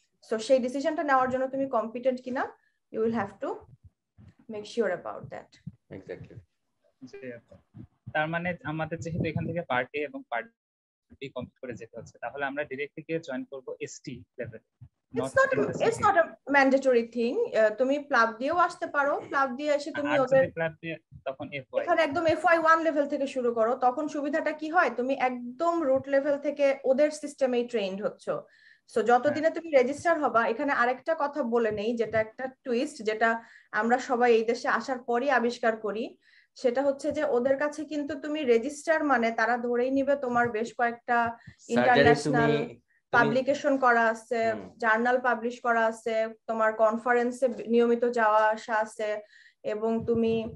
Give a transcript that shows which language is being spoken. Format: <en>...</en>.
<bn>So সেই ডিসিশনটা নেওয়ার জন্য তুমি কম্পিটেন্ট কিনা,</bn> <en>You will have to make sure about that. Exactly,</en> <bn>তার মানে আমাদের যেহেতু এখান থেকে পার্ট এ এবং পার্ট বি কমপ্লিট করে যেতে হচ্ছে, তাহলে আমরা ডাইরেক্টলি গিয়ে জয়েন করব ST level.</bn> <en>It's not a mandatory thing.</en> <bn>তুমি প্লাব দিয়েও আসতে পারো, প্লাব দিয়ে এসে তুমি ওদের প্লাব দিয়ে তখন FY, এখানে একদম FY1 লেভেল থেকে শুরু করো। তখন সুবিধাটা কি হয়, তুমি একদম রুট লেভেল থেকে ওদের সিস্টেমেই ট্রেনড হচ্ছে। সো যতদিনে তুমি রেজিস্টার হবা, এখানে আরেকটা কথা বলে নেই যেটা একটা টুইস্ট, যেটা আমরা সবাই এই দেশে আসার পরই আবিষ্কার করি, সেটা হচ্ছে যে ওদের কাছে কিন্তু তুমি রেজিস্টার মানে তারা ধরেই নিবে তোমার বেশ কয়েকটা ইন্টারন্যাশনাল পাবলিকেশন করা আছে, জার্নাল পাবলিশ করা আছে, তোমার কনফারেন্সে নিয়মিত যাওয়া আসা আছে, এবং তুমি</bn>